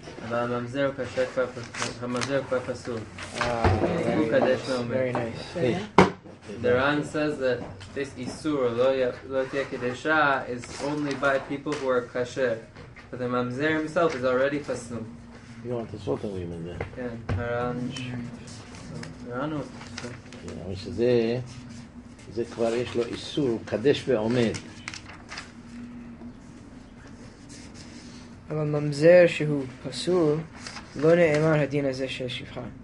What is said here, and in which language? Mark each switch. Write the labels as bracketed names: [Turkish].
[Hebrew] אבל הממזר הוא כשר כבר, הממזר הוא כבר פסול. אה, הוא קדש מאוד. [English] Very nice. The Ran says that this איסור, [Hebrew] לא תהיה קדשה, [English] is only by people who are כשר. But the ממזר himself is already פסול. You want to talk to him in there. [Hebrew] כן, הרן. הרן הוא. כן, אבל שזה כבר יש לו איסור, הוא קדש ועומד. אבל ממזר שהוא פסול, לא נאמר הדין הזה של שפחה.